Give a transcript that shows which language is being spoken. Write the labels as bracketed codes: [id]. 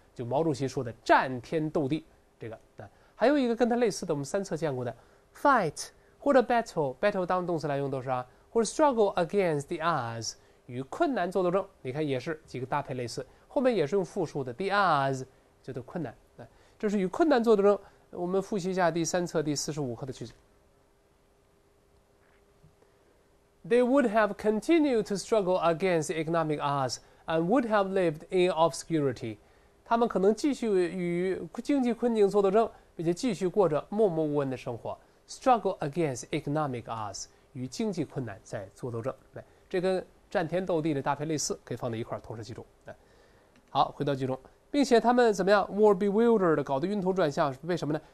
[zh] 就毛主席说的"战天斗地"，这个啊，还有一个跟它类似的，我们三册见过的 fight 或者 battle 当动词来用都是啊，或者 struggle against the odds 与困难做斗争。你看也是几个搭配类似，后面也是用复数的 the odds 就是困难，啊，这是与困难做斗争。我们复习一下第三册第45课的句子。 [en] They would have continued to struggle against economic odds and would have lived in obscurity. [zh] 他们可能继续与经济困境做斗争，并且继续过着默默无闻的生活。 Struggle against economic odds 与经济困难在做斗争，对，这跟战天斗地的搭配类似，可以放在一块儿，同时记住。对，好，回到剧中，并且他们怎么样 ？ Were bewildered，搞得晕头转向，为什么呢？